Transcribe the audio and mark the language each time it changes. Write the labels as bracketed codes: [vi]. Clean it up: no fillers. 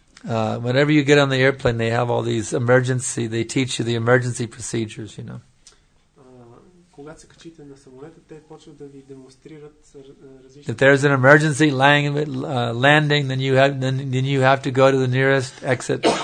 [en] Whenever you get on the airplane, they have all these emergency, they teach you the emergency procedures, you know. [bg] когато се качите на самолета, те почват да ви демонстрират различни. [en] If there's an emergency landing, then you have to go to the nearest exit.